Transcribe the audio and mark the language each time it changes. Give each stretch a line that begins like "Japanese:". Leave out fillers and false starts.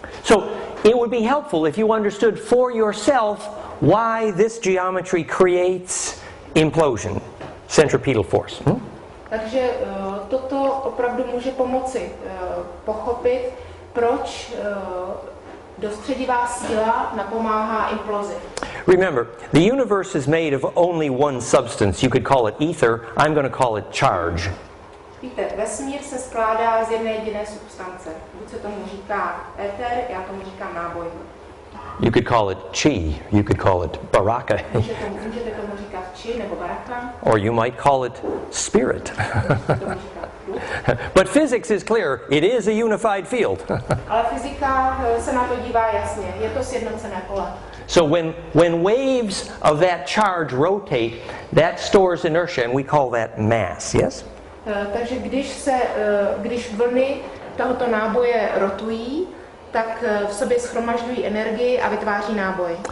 English: So it would be helpful if you understood for yourself why this geometry creates implosion, centripetal force. Hmm?
Czech: Takže toto opravdu může pomoci pochopit, proč dostředivá síla napomáhá implozi.
English: Remember, the universe is made of only one substance. You could call it ether. I'm going to call it charge.
Czech: Víte, vesmír se skládá z jedné jediné substance. Buď se tomu říká éter, já tomu říkám náboj.
English: You could call it chi, you could call it baraka.
Czech: Můžete tomu říkat chi nebo baraka.
English: Or you might call it spirit. But physics is clear, it is a unified field.
Czech: Ale fyzika se na to dívá jasně, je to sjednocené pole.
English: So when waves of that charge rotate, that stores inertia and we call that mass, yes?
Czech: Takže když vlny tohoto náboje rotují, tak v sobě shromažďují energii a vytváří náboj.